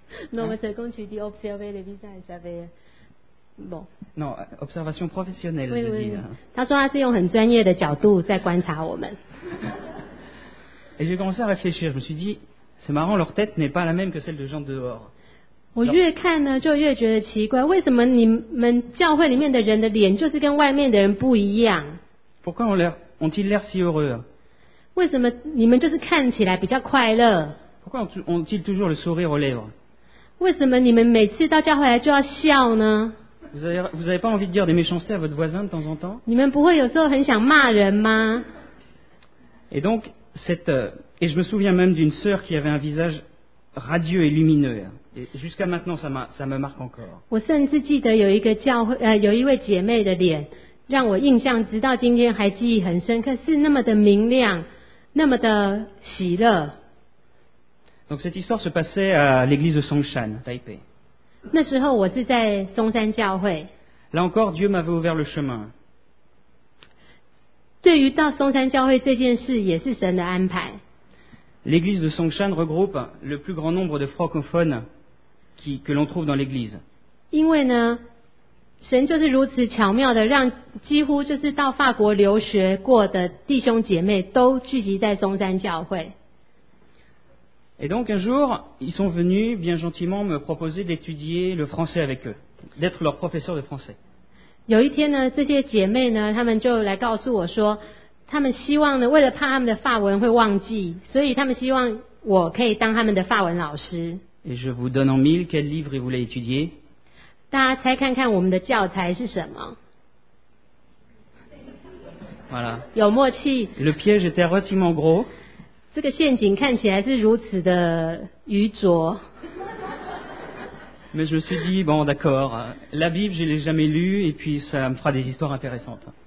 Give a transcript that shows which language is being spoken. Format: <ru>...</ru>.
<fr>Non, mais c'est quand tu dis observer le visage, ça fait bon. Non, observation professionnelle, je dis.</fr> <zh>他说他是用很专业的角度在观察我们。</zh> <fr>Et j'ai commencé à réfléchir, je me suis dit. C'est marrant, leur tête n'est pas la même que celle de gens dehors.</fr> <zh>我越看呢，就越觉得奇怪，为什么你们教会里面的人的脸就是跟外面的人不一样？</zh> <fr>Pourquoi ont-ils l'air si heureux?</fr> <zh>为什么你们就是看起来比较快乐？</zh> <fr>Pourquoi ont-ils toujours le sourire aux lèvres?</fr> <zh>为什么你们每次到教会来就要笑呢？</zh> <fr>Vous avez pas envie de dire des méchancetés à votre voisin de temps en temps?</fr> <zh>你们不会有时候很想骂人吗？</zh> <fr>Et donc, cette... Et je me souviens même d'une sœur qui avait un visage radieux et lumineux. Et jusqu'à maintenant, ça me marque encore.</fr> <zh>我甚至记得有一个教会，有一位姐妹的脸，让我印象直到今天还记忆很深刻，是那么的明亮，那么的喜乐。</zh> <fr>Donc cette histoire se passait à l'église de Songshan, Taipei.</fr> <zh>那时候我是在松山教会。</zh> <fr>Là encore, Dieu m'avait ouvert le chemin.</fr> <zh>对于到松山教会这件事，也是神的安排。</zh> <fr>L'église de Songshan regroupe le plus grand nombre de francophones que l'on trouve dans l'église.</fr> <zh>因为呢，神就是如此巧妙的让几乎就是到法国留学过的弟兄姐妹都聚集在松山教会。</zh> <fr>Et donc un jour, ils sont venus bien gentiment me proposer d'étudier le français avec eux, d'être leur professeur de français.</fr> <zh>有一天呢，这些姐妹呢，她们就来告诉我说。他们希望呢，为了怕他们的法文会忘记，所以他们希望我可以当他们的法文老师。</zh> <fr>Et je vous donne en mille quel livre ils voulaient étudier.</fr> <zh>大家猜看看我们的教材是什么？</zh> <fr>Voilà.</fr> <zh>有默契。</zh> <fr>Le piège était relativement gros.</fr> <zh>这个陷阱看起来是如此的愚拙。</zh> <fr>Mais je me suis dit bon d'accord, la Bible je l'ai jamais lue et puis ça me fera des histoires intéressantes.</fr>